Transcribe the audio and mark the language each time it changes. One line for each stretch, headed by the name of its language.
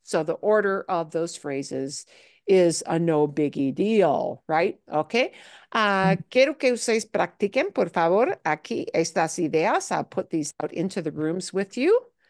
English: So the order of those phrases is a no biggie deal, right? Okay.
Spanish: Quiero que ustedes practiquen, por favor, aquí estas ideas.
English: I'll put these out into the rooms with you.